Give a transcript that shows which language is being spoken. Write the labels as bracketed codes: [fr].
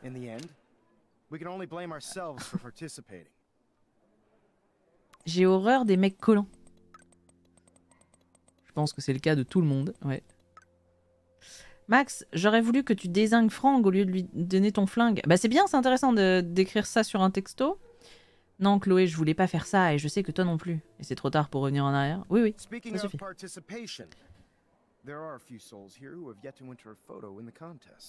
[en] In the end, we can only blame ourselves for participating. [fr] J'ai horreur des mecs collants. Je pense que c'est le cas de tout le monde, ouais. Max, j'aurais voulu que tu désingues Frank au lieu de lui donner ton flingue. Bah c'est bien, c'est intéressant de d'écrire ça sur un texto. Non, Chloé, je voulais pas faire ça et je sais que toi non plus. Et c'est trop tard pour revenir en arrière. Oui, oui, [en] speaking [fr] ça suffit. [en] Of participation, there are a few souls here who have yet to enter a photo in the contest.